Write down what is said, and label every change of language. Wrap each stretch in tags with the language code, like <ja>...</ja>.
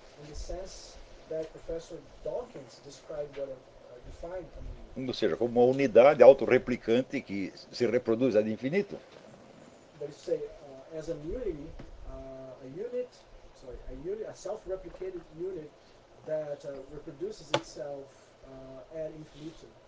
<en>In the sense that Professor Dawkins described what defined a meme.</en> <pt>Ou seja, como uma unidade autorreplicante que se reproduz ad infinito.</pt> <en>That is to say, as a unity, a self-replicated unit that reproduces itself ad infinito.</en>